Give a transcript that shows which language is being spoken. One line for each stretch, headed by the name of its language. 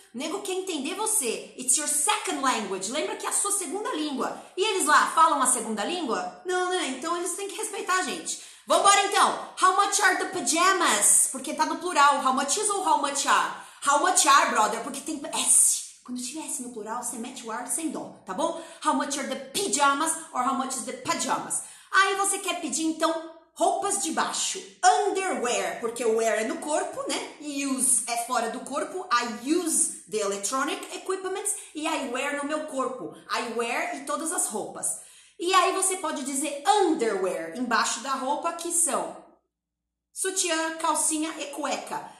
Portuguese: O nego quer entender você.
English: It's your second language.
Portuguese: Lembra que é a sua segunda língua. E eles lá falam a segunda língua? Não, né? Então eles têm que respeitar a gente. Vambora então!
English: How much are the pajamas?
Portuguese: Porque tá no plural.
English: How much is
Portuguese: ou
English: how much are? How much are, brother?
Portuguese: Porque tem S. Quando tiver S no plural, você mete o R sem dó, tá bom?
English: How much are the pajamas or how much is the pajamas?
Portuguese: Aí você quer pedir, então, roupas de baixo. Underwear, porque o wear é no corpo, né? Use é fora do corpo.
English: I use the electronic equipments
Portuguese: e
English: I wear
Portuguese: no meu corpo.
English: I wear
Portuguese: e todas as roupas. E aí você pode dizer underwear, embaixo da roupa, que são sutiã, calcinha e cueca.